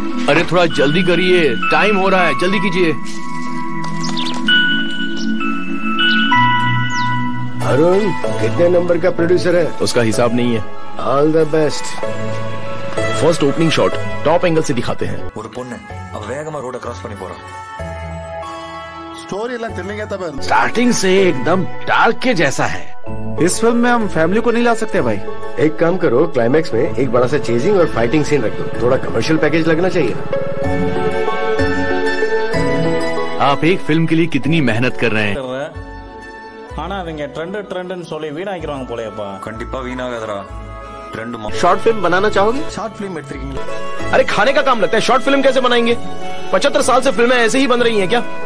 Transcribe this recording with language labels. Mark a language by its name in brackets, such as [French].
[Hindi] अरे थोड़ा जल्दी करिए, टाइम हो रहा है, जल्दी कीजिए। अरुण कितने नंबर का प्रोड्यूसर है? उसका हिसाब नहीं है। All the best. First opening shot top angle से दिखाते हैं। [Tamil] ஒரு பொண்ணு அவ வேகமா ரோட கிராஸ் பண்ணி போறா। [Hindi] स्टोरी [Tamil] எல்லாம் தெரிஞ்சீங்க தான। [Hindi] स्टार्टिंग से एकदम डार्क के जैसा है। इस फिल्म में हम फैमिली को नहीं ला सकते भाई। एक काम करो, क्लाइमेक्स में एक बड़ा सा चेजिंग और फाइटिंग सीन रख दो, थोड़ा कमर्शियल पैकेज लगना चाहिए। आप एक फिल्म के लिए कितनी मेहनत कर रहे हैं? [Tamil] ஆனா அவங்க ட்ரெண்ட் ட்ரெண்ட்னு சொல்லி வீணாக்கிடுவாங்க போலயேப்பா। கண்டிப்பா வீணாகாதரா, ட்ரெண்ட் மா। ஷார்ட் ஃபிலிம் பண்ணனா [Hindi] चाहोगे? [Tamil] Short film எடுத்துக்கிங்களா? [Hindi] अरे खाने का काम लगता है, ஷார்ட் ஃபிலிம் कैसे बनाएंगे? 75 साल से फिल्में ऐसे ही बन रही हैं क्या?